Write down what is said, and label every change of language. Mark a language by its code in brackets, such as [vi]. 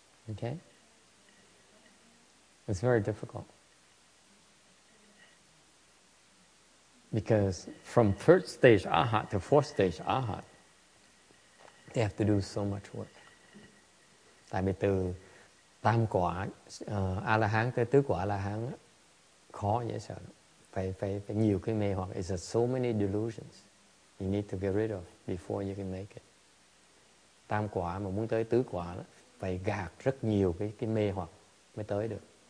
[en] Okay? It's very difficult. Because from third stage arahat to fourth stage arahat, they have to do so much work. [vi] Tại vì từ tam quả A-la-hán tới tứ quả A-la-hán khó dễ sợ. Phải nhiều cái mê hoặc. [en] It's so many delusions you need to get rid of before you can make it. [vi] Tam quả mà muốn tới tứ quả đó, phải gạt rất nhiều cái mê hoặc mới tới được.